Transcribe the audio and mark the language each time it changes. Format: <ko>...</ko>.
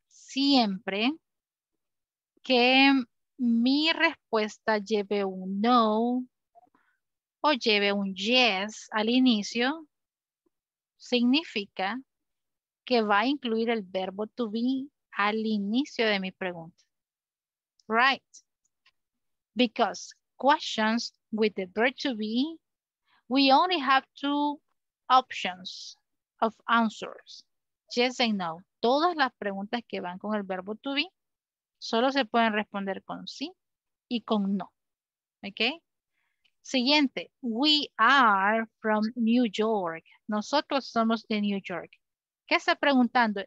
<es>Siempre que mi respuesta lleve un no o lleve un yes al inicio, significa que va a incluir el verbo to be al inicio de mi pregunta.</es> <en>Right? Because questions with the verb to be, we only have two options of answers. Yes and no.</en> <es>Todas las preguntas que van con el verbo to be solo se pueden responder con sí y con no.</es> <en>¿Ok? Siguiente. We are from New York.</en> <es>Nosotros somos de New York. ¿Qué está preguntando?</es>